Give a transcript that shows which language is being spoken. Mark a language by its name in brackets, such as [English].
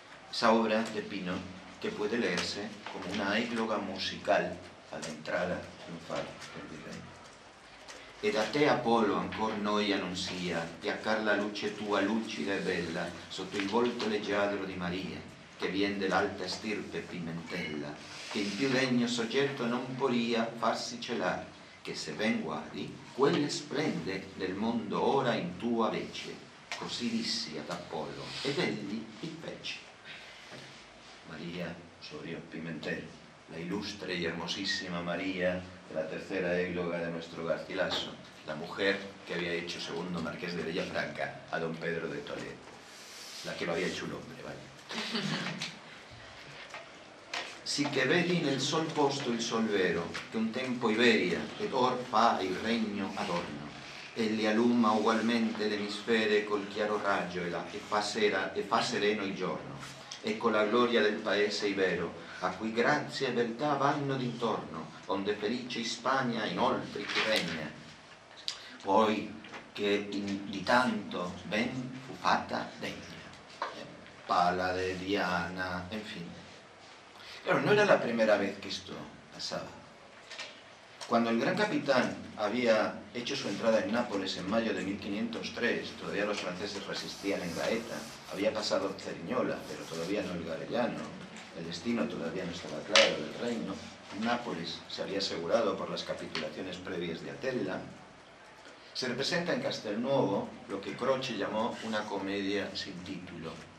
[Spanish] Esa obra de Pino, que puede leerse como una égloga musical a la entrada triunfal del virrey. [Italian] Ed a te Apolo ancor noi annuncia, e a Carla luce tua lucida e bella, sotto il volto leggiadro di Maria, che viene dell'alta stirpe Pimentella, che il più degno soggetto non poria farsi celar, che se ben guardi, quella splende del mondo ora in tua vece. Così dissi ad Apollo, ed egli il fece. [Spanish] Maria, sorrió Pimentel, la ilustre y hermosísima Maria, de la tercera égloga de nuestro Garcilaso, la mujer que había hecho segundo marqués de Villafranca a don Pedro de Toledo, la que lo había hecho un hombre, vale. [Italian] Si que vedi nel sol posto il sol vero, che un tempo Iberia ed or fa il regno adorno, e li alumma ugualmente l'emisfere col chiaro raggio e fa sereno il giorno, e con la gloria del paese ibero, a cui grazia e beltà vanno d'intorno, onde felice Ispagna inoltre ci regna, poi che di tanto ben fu fatta degna. [Spanish] Pala de Diana, en fin. Claro, no era la primera vez que esto pasaba. Cuando el gran capitán había hecho su entrada en Nápoles en mayo de 1503, todavía los franceses resistían en Gaeta, había pasado Cerignola, pero todavía no el Garellano, el destino todavía no estaba claro del reino, Nápoles se había asegurado por las capitulaciones previas de Atella, se representa en Castelnuovo lo que Croce llamó una comedia sin título.